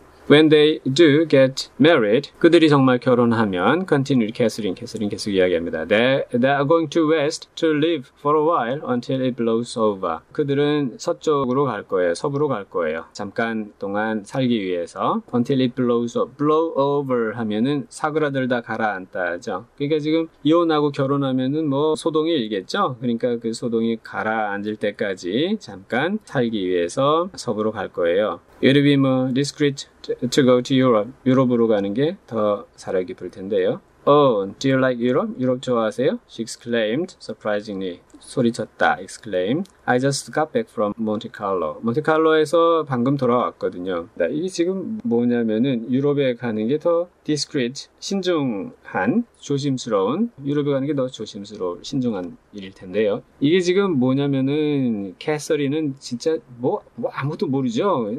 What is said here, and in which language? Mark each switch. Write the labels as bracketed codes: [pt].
[en] When they do get married, [ko] 그들이 정말 결혼하면, [en] continued Catherine, Catherine [ko] 계속 이야기합니다. [en] They are going to west to live for a while until it blows over. [ko] 그들은 서쪽으로 갈 거예요. 서부로 갈 거예요. 잠깐 동안 살기 위해서. [en] Until it blows over. [ko] Blow over 하면은 사그라들다 가라앉다죠. 그러니까 지금 이혼하고 결혼하면은 뭐 소동이 일겠죠. 그러니까 그 소동이 가라앉을 때까지 잠깐 살기 위해서 서부로 갈 거예요. [en] It'll be more discreet to go to Europe. [ko] 유럽으로 가는 게 더 살아 깊을 텐데요. [en] Oh, do you like Europe? [ko] 유럽 좋아하세요? [en] She exclaimed, surprisingly. [ko] 소리쳤다, exclaimed. [en] I just got back from Monte Carlo. [ko] 몬테카를로에서 방금 돌아왔거든요. 네, 이게 지금 뭐냐면은 유럽에 가는 게 더 discreet, 신중한, 조심스러운, 유럽에 가는 게 더 조심스러운, 신중한 일일 텐데요. 이게 지금 뭐냐면은 캐서리는 진짜 뭐 아무도 모르죠.